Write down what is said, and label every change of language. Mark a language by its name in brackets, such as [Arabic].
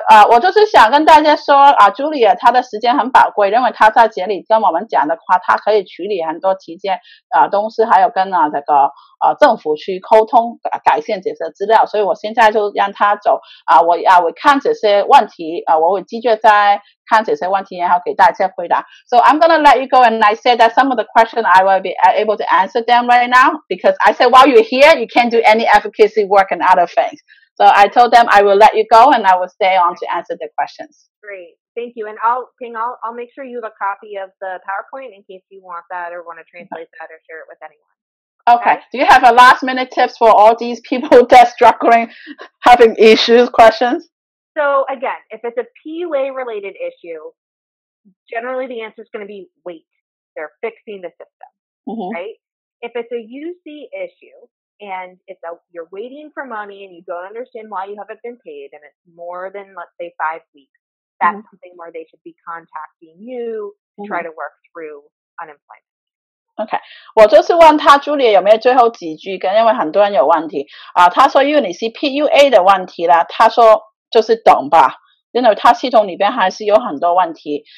[Chinese] 我就是想跟大家说Julia 她的时间很宝贵，因为她在这里跟我们讲的话，她可以处理很多提件东西，还有跟政府去沟通改善这些资料。所以我现在就让她走我看这些问题我会继续再看这些问题，然后给大家回答。 [English] So I'm gonna let you go, and I say that some of the questions I will be able to answer them right now, because I said while you're here, you can't do any advocacy work and other things. So I told them I will let you go, and I will stay on to answer the questions. Great, thank you. And I'll make sure you have a copy of the PowerPoint in case you want that or want to translate that or share it with anyone. Okay, do you have a last minute tips for all these people that's struggling, having issues, questions? So again, if it's a PUA related issue, generally the answer is going to be wait. They're fixing the system, right? If it's a UC issue and you're waiting for money and you don't understand why you haven't been paid and it's more than, let's say, 5 weeks, that's something where they should be contacting you to try to work through unemployment. [Chinese] OK, 我就是问他 Julia 有没有最后几句，跟因为很多人有问题他说因为你是 PUA 的问题啦，他说就是等吧，因为他系统里边还是有很多问题。